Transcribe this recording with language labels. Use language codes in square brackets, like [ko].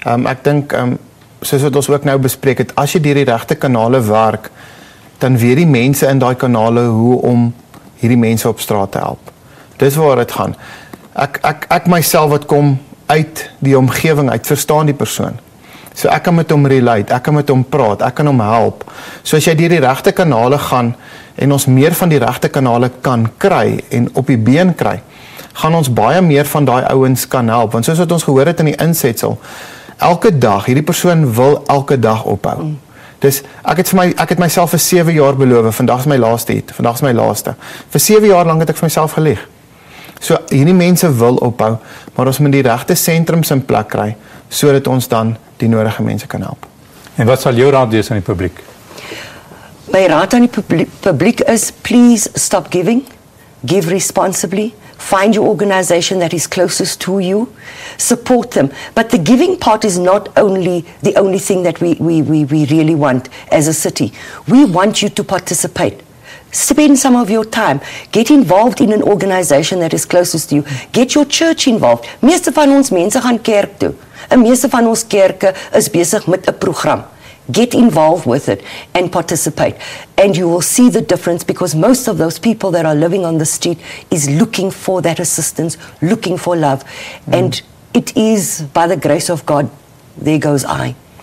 [af] Ek dink, soos wat ons ook nou bespreek het, as jy dier die regte kanale werk, dan weet die mense in die kanale hoe om hierdie mense op straat te help. Dis waar het gaan. Ek myself wat kom uit die omgeving uit, verstaan die persoon. So ek kan met hom relate, ek kan met hom praat, ek kan hom help. So as jy dier die regte kanale gaan en ons meer van die regte kanale kan kry en op die been kry, gaan ons baie meer van die ouens kan help. Want soos wat ons gehoor het in die insetsel, elke dag, hierdie persoon wil elke dag ophou. Dus ek het myself vir 7 jaar beloof, vandag is my laaste. Vir 7 jaar lang het ek vir myself geleeg. So hierdie mense wil ophou, maar ons moet die regte sentrums in plek kry, so dat ons dan die nodige mense kan help. En wat sal jou raad wees aan die publiek? My raad aan die publiek is, [en] please stop giving, give responsibly, find your organization that is closest to you, support them. But the giving part is not only the only thing that we really want as a city. We want you to participate. Spend some of your time. Get involved in an organization that is closest to you. Get your church involved. [af] Meeste van ons mense gaan kerk toe. En meeste van ons kerke is besig met 'n program. [en] Get involved with it and participate. And you will see the difference because most of those people that are living on the street is looking for that assistance, looking for love. And it is, by the grace of God, there goes I.